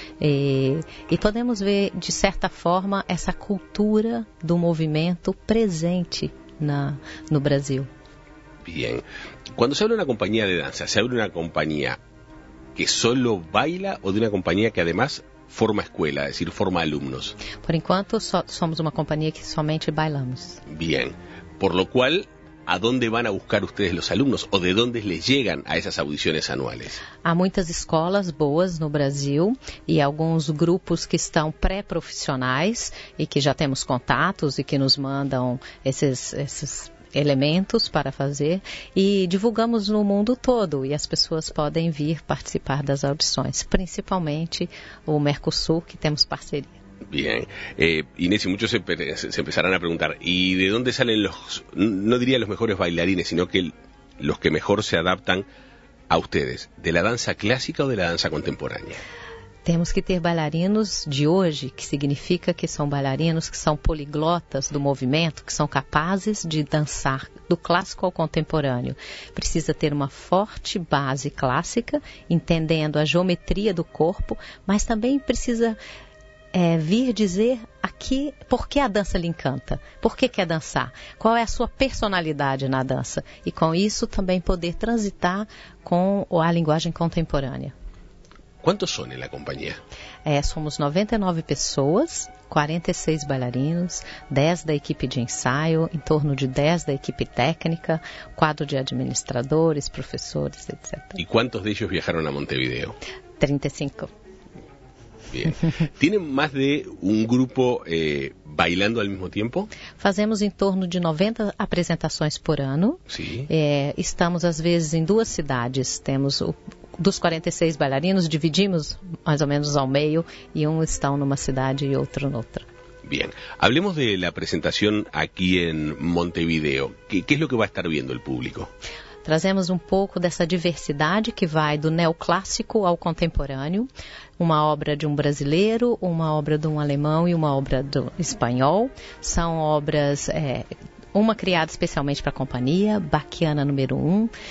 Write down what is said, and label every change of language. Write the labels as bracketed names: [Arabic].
[Portuguese] E podemos ver, de certa forma, essa cultura do movimento presente no Brasil. Bem, quando se abre uma companhia de dança, se abre uma companhia que só baila ou de uma companhia que, además, [Spanish] forma escuela, es decir, forma alumnos. Por enquanto, somos una compañía que solamente bailamos. Bien. Por lo cual, ¿a dónde van a buscar ustedes los alumnos o de dónde les llegan a esas audiciones anuales? [Portuguese] Há muitas escolas boas no Brasil e alguns grupos que estão pré-profissionais e que já temos contatos e que nos mandam esses elementos para fazer e divulgamos no mundo todo e as pessoas podem vir participar das audições, principalmente o Mercosul, que temos parceria. [Spanish] Bien, Inés, y muchos se empezarán a preguntar, ¿y de dónde salen no diría los mejores bailarines, sino que los que mejor se adaptan a ustedes, de la danza clásica o de la danza contemporánea? [Portuguese] Temos que ter bailarinos de hoje, que significa que são bailarinos que são poliglotas do movimento, que são capazes de dançar do clássico ao contemporâneo. Precisa ter uma forte base clássica, entendendo a geometria do corpo, mas também precisa vir dizer aqui por que a dança lhe encanta, por que quer dançar, qual é a sua personalidade na dança, e com isso também poder transitar com a linguagem contemporânea. Quantos são na companhia? Somos 99 pessoas, 46 bailarinos, 10 da equipe de ensaio, em torno de 10 da equipe técnica, quadro de administradores, professores, etc. E quantos deles viajaram a Montevideo? 35. [Spanish] Bien. ¿Tienen más de un grupo bailando al mismo tiempo? Fazemos en torno de 90 apresentaciones por año. Sí. [Portuguese] Estamos, às vezes, en duas cidades. [Spanish] Temos dos 46 bailarinos, dividimos más o menos al meio, y un está en una ciudad y otro en otra. Bien. Hablemos de la presentación aquí en Montevideo. ¿Qué es lo que va a estar viendo el público? [Portuguese] Trazemos um pouco dessa diversidade que vai do neoclássico ao contemporâneo, uma obra de um brasileiro, uma obra de um alemão e uma obra do espanhol. São obras, uma criada especialmente para a companhia, Bachiana número 1.